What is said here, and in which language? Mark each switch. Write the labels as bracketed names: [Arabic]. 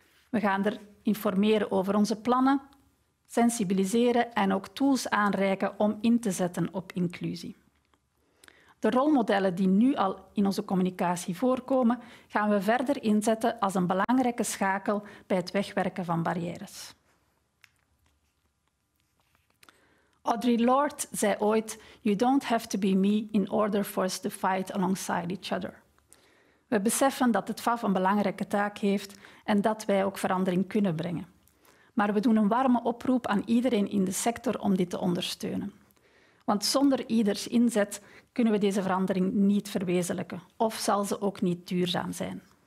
[Dutch] We gaan er informeren over onze plannen, sensibiliseren en ook tools aanreiken om in te zetten op inclusie. De rolmodellen die nu al in onze communicatie voorkomen, gaan we verder inzetten als een belangrijke schakel bij het wegwerken van barrières. [English] Audre Lorde [Dutch] zei ooit: [English] "You don't have to be me in order for us to fight alongside each other." [Dutch] We beseffen dat het VAF een belangrijke taak heeft en dat wij ook verandering kunnen brengen. Maar we doen een warme oproep aan iedereen in de sector om dit te ondersteunen. Want zonder ieders inzet kunnen we deze verandering niet verwezenlijken of zal ze ook niet duurzaam zijn.